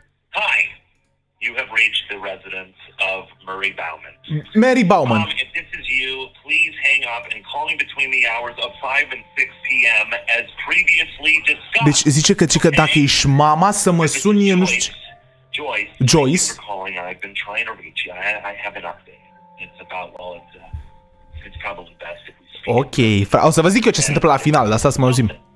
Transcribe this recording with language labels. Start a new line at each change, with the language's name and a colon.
English: Hi, you have reached the residence of Murray Bauman. Mary Bauman. You please hang up and call me between the hours of 5 and 6 p.m. as previously discussed.
Romanian: Deci zice că, okay, dacă ești mama să mă suni, eu nu știu.
English: Joyce. Calling. I've been trying to reach you. I have an update. It's about, well, it's probably best if we speak.
Romanian: Ok, o să vă zic eu ce se întâmplă la final, dar stai să mă auzim.